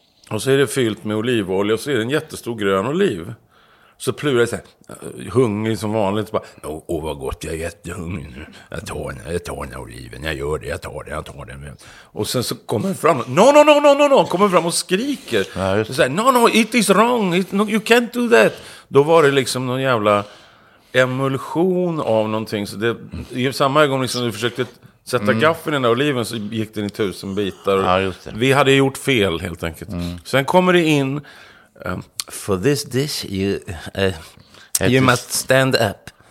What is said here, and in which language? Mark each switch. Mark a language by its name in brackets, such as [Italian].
[Swedish] Och så är det fyllt med olivolja och så är det en jättestor grön oliv. Så Plura säger, hungrig som vanligt. Åh, vad gott, jag är jättehungrig nu. Jag tar den oliven, jag gör det, jag tar den. Och sen så kommer fram, no, kommer fram och skriker. Ja, så säger, [English] no, it is wrong, you can't do that. [Swedish] Då var det liksom någon jävla emulsion av någonting. Så det, i samma ögonblick som du försökte sätta gaffeln i den där oliven så gick den i 1000 bitar. Ja, just det. Vi hade gjort fel helt enkelt. Sen kommer det in... [English] For this dish you must stand up.